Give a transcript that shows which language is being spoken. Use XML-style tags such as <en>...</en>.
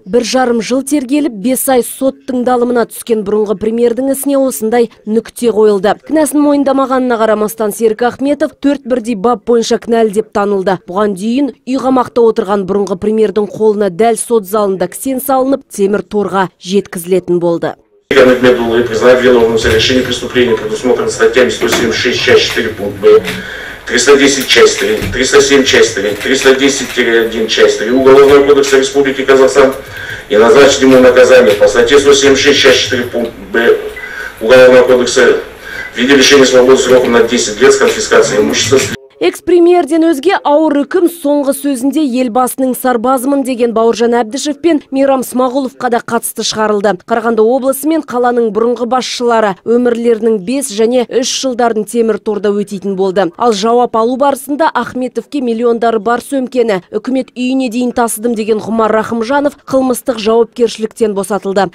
<kk>1,5 жыл тергеліп, 5 ай сот тыңдалымына түскен бұрынғы премьердің ісіне осындай нүкте қойылды. Кінәсін мойындамағанына қарамастан Серік Ахметов 4-1-дей бап бойынша кінәлі деп танылды. Бұған дейін үй қамақта отырған бұрынғы премьердің қолына дәл сот залында кісен салынып, темір торға жеткізілетін болды.</kk> <ru>Я немедленно и признаю виновным за решение преступления, предусмотрено статьями 176, часть 4, пункт Б, 310, часть 3, 307, часть 3, 310-1, часть 3 Уголовного кодекса Республики Казахстан и назначить ему наказание по статье 176, часть 4, пункт Б Уголовного кодекса в виде лишения свободы сроком на 10 лет с конфискацией имущества.</ru> <kk>Экс-премьерден өзге ауыр үкім соңғы сөзінде елбасының сарбазымын деген Бауыржан Әбдішев пен Мейрам Смағұловқа да қатысты шығарылды. Қарағанды облысы мен қаланың бұрынғы басшылары өмірлерінің 5 және 3 жылдарын темір торда өтейтін болды. Ал жауап алу барысында Ахметовке миллиондары бар сөмкені үкімет үйіне дейін тасыдым деген Ғұмар Рахымжанов қылмыстық жауапкершіліктен босатылды.</kk>